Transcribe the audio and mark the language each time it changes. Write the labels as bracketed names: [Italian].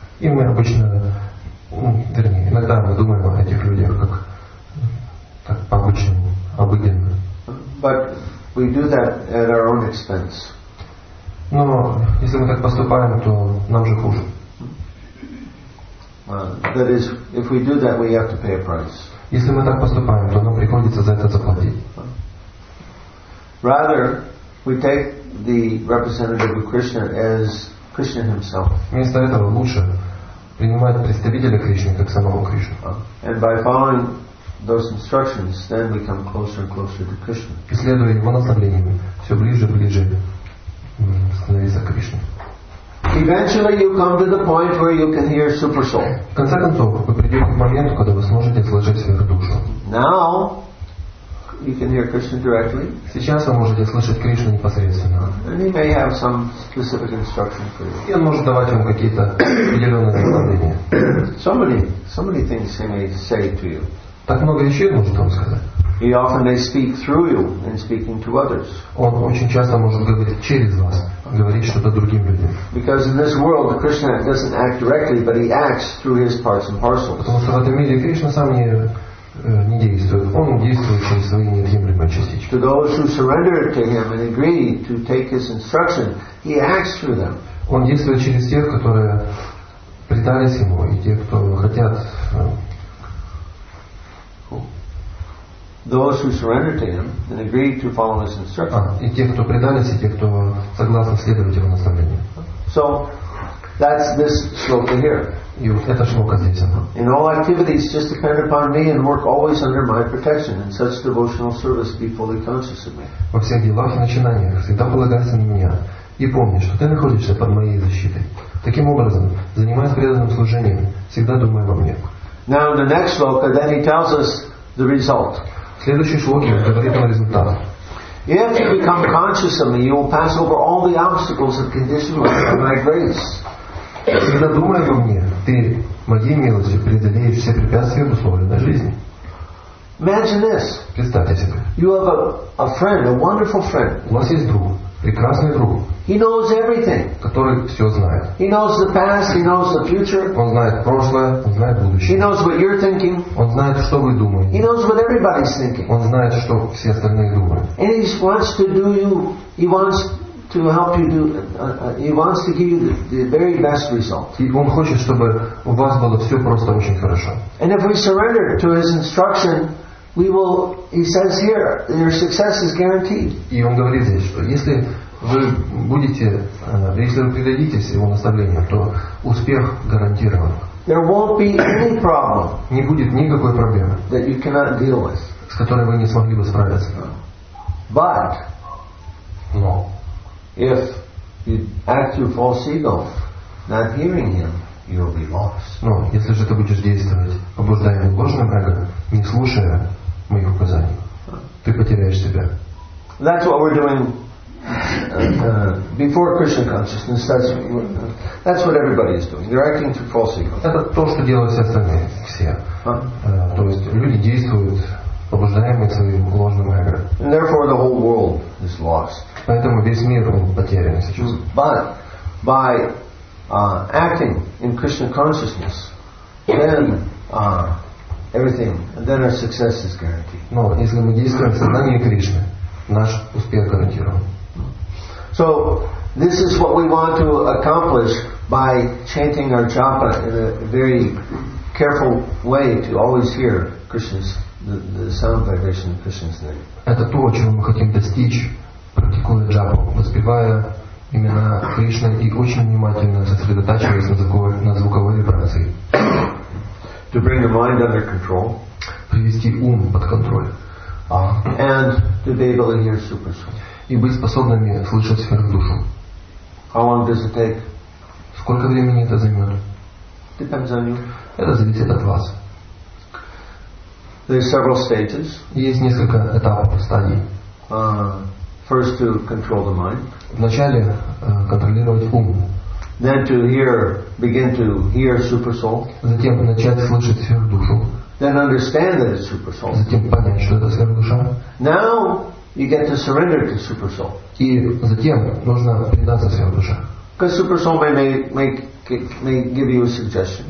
[Russian] И мы обычно, вернее, иногда мы думаем о этих людях как так обычным, обыденным. [English] But we do that at our own expense. [Russian] Но если мы так поступаем, то нам же хуже. [English] That is, if we do that, we have to pay a price. [Russian] Если мы так поступаем, то нам приходится за это заплатить. [English] Rather, we take the representative of Krishna as Krishna himself. [Russian] Вместо этого лучше принимать представителя Кришны как самого Кришну. [English] And by following those instructions, then we come closer and closer to Krishna. [Russian] И следуя его наставлениям, все ближе и ближе становиться к Кришне. [English] Eventually you come to the point where you can hear super soul. [Russian] В конце концов, вы придете к моменту, когда вы сможете слышать сверхдушу. [English] Now you can hear Krishna directly. [Russian] Сейчас вы можете слышать Кришну непосредственно. [English] And he may have some specific instruction for you. [Russian] И он может давать вам какие-то определенные наставления. [English] So many things he may say to you. [Russian] Так много вещей может вам сказать. [English] He often may speak through you in speaking to others. [Russian] Он очень часто может говорить через вас. Говорить что-то другим людям. [English] Because in this world Krishna doesn't act directly, but he acts through his parts and parcels. [Russian] Потому что в этом мире Кришна сам не действует. Он действует через свои неотъемлемые частички. [English] To those who surrender to him and agree to take his instruction, he acts through them. [Russian] Он действует через тех, которые предались ему, и тех, кто хотят. [English] Those who surrender to him and agree to follow his instructions. [Russian] И те, кто предались, и те, кто согласны следовать его наставлениям. [English] So, that's this shloka here. [Russian] И вот эта шлока здесь она. [English] In all activities, just depend upon me and work always under my protection. In such devotional service, be fully conscious of me. [Russian] Во всех делах и начинаниях всегда полагайся на меня и помни, что ты находишься под моей защитой. Таким образом, занимаясь преданным служением, всегда думай обо мне. [English] Now, in the next shloka, then he tells us the result. [Russian] Следующий шлоки говорит о результате. [English] If you become conscious of me, you will pass over all the obstacles of conditionality by my grace. [Russian] Когда думаешь обо мне, ты моей милостью преодолеешь все препятствия в условленной жизни. [English] Imagine this. [Russian] Представьте себе. [English] You have a friend, a wonderful friend. [Russian] У вас есть друг, прекрасный друг. [English] He knows everything. [Russian] Который все знает. [English] He knows the past, he knows the future. [Russian] Он знает прошлое, он знает будущее. [English] He knows what you're thinking. [Russian] Он знает, что вы думаете. [English] He knows what everybody's thinking. [Russian] Он знает, что все остальные думают. [English] And he wants to do you. He wants to give you the very best result. [Russian] И он хочет, чтобы у вас было все просто очень хорошо. [English] And if we surrender to his instruction, we will. He says here, your success is guaranteed. [Russian] И он говорит здесь, что если вы будете, если вы предадитесь его наставлению, то успех гарантирован. [English] There won't be any problem. [Russian] Не будет никакой проблемы. [English] That you cannot deal with. [Russian] С которой вы не смогли бы справиться. [English] But. [Russian] Но. [English] If you act your false ego, not hearing him, you'll be lost. [Russian] Но если же ты будешь действовать, побуждаемым ложным эго, не слушая моих указаний, ты потеряешь себя. [English] That's what we're doing. Before Krishna consciousness, that's what everybody is doing. They're acting through false ego. [Russian] Это то, что делают все остальные, все. То есть люди действуют, побуждаемые своим ложным эго. [English] And therefore, the whole world is lost. [Russian] Поэтому весь мир он потерян сейчас. [English] But by acting in Krishna consciousness, then everything, then our success is guaranteed. [Russian] Но если мы действуем в сознании Кришны, наш успех гарантирован. [English] So this is what we want to accomplish by chanting our japa in a very careful way to always hear Krishna's the sound vibration of Krishna's name. [Russian] Это то, чего мы хотим достичь, практикуя джапу, воспевая имена Кришны и очень внимательно сосредотачиваясь на звуковой вибрации. [English] To bring the mind under control. [Russian] Привести ум под контроль. [English] And to be able to hear super soul. [Russian] И быть способными слышать сверхдушу. [English] How long does it take? [Russian] Сколько времени это займет? [English] Depends on you. [Russian] Это зависит от вас. [English] There are several stages. [Russian] Есть несколько этапов стадий. [English] First to control the mind. [Russian] Вначале контролировать ум. [English] Then to hear, begin to hear super soul. [Russian] Затем начать слышать сверхдушу. [English] Then understand that it's super soul. [Russian] Затем понять, что это сверхдуша. [English] Now you get to surrender to super soul. [Russian] И затем нужно предаться сверхдуше. [English] Because super soul may give you a suggestion.